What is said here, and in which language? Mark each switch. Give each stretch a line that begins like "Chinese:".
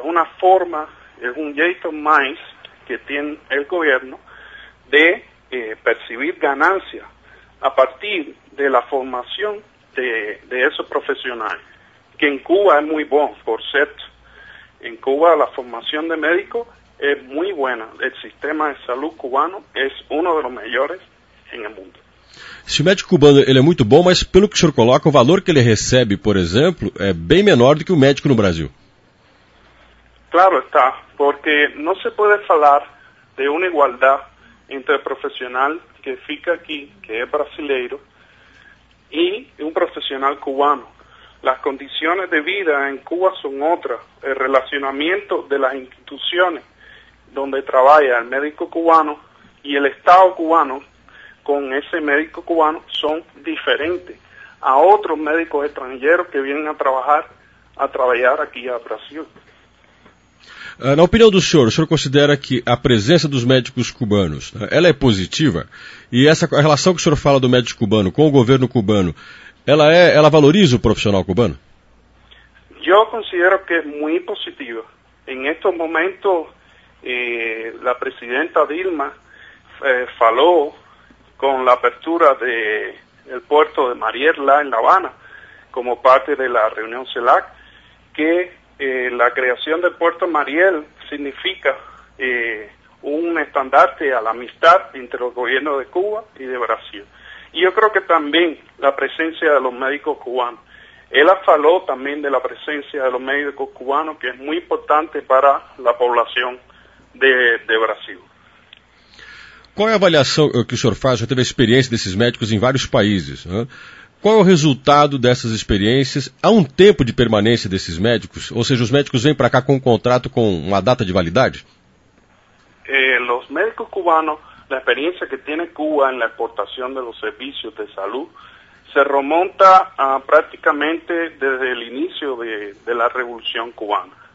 Spanish: Es una forma, es un jeito más que tiene el gobierno de percibir ganancias a partir de la formación de esos profesionales. Que en Cuba es muy bueno, por cierto. En Cuba la formación de médicos es muy buena. El sistema de salud cubano es uno de los mejores en el mundo.
Portuguese: Se o médico cubano ele é muito bom, mas pelo que o senhor coloca, o valor que ele recebe, por exemplo, é bem menor do que o médico no Brasil. Claro está, porque não se pode falar de uma igualdade entre o profissional que fica aqui, que é brasileiro, e um profissional cubano. As condições de vida em Cuba são outras. O relacionamento das instituições onde trabalha o médico cubano e o Estado cubano
Spanish: con ese médico cubano son diferentes a otros médicos extranjeros que vienen a trabajar aquí a Brasil.
Portuguese: Na opinião do senhor, o senhor considera que a presença dos médicos cubanos, ela é positiva? E essa relação que o senhor fala do médico cubano com o governo cubano, ela valoriza o profissional cubano? Eu considero que é muito positiva.
Spanish: Em este momento, a presidenta Dilma
Portuguese: falou
Spanish: con la apertura del puerto de Mariela en La Habana, como parte de la reunión CELAC, que la creación del puerto Mariel significa un estandarte a la amistad entre los gobiernos de Cuba y de Brasil. Y yo creo que también la presencia de los médicos cubanos. Él habló también de la presencia de los médicos cubanos, que es muy importante para la población de Brasil.
Portuguese: Qual é a avaliação que o senhor faz? Já teve a experiência desses médicos em vários países. Né? Qual é o resultado dessas experiências? Há um tempo de permanência desses médicos? Ou seja, os médicos vêm para cá com um contrato com uma data de validade? Os médicos cubanos, a experiência que tem Cuba na exportação dos serviços de saúde, se remonta praticamente desde o início da Revolução Cubana.